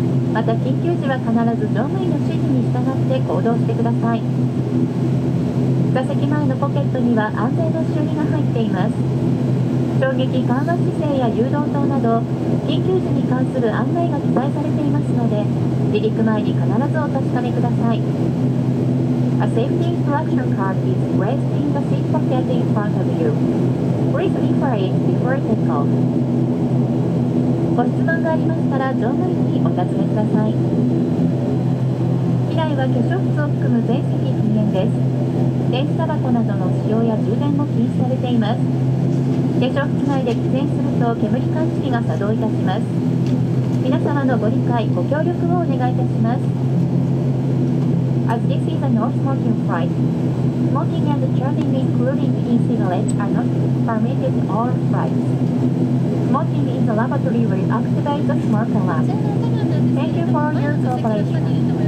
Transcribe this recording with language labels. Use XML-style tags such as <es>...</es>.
<ja>また緊急時は必ず乗務員の指示に従って行動してください。座席前のポケットには安全の修理が入っています。衝撃緩和姿勢や誘導灯など緊急時に関する案内が記載されていますので離陸前に必ずお確かめください。</ja> <en>A safety instruction card is placed in the seat pocket in front of you. Please inquire before takeoff.</en> <ja>ご質問がありましたら乗務員にお尋ねください。機内は化粧室を含む全席禁煙です。電子タバコなどの使用や充電も禁止されています。化粧室内で喫煙すると煙感知器が作動いたします。皆様のご理解ご協力をお願いいたします。</ja> <en>As this is a non-smoking flight, smoking and chewing including e-cigarettes are not permitted all flightsSmoking in the lavatory will activate the smoke alarm. Thank you for your cooperation.</en>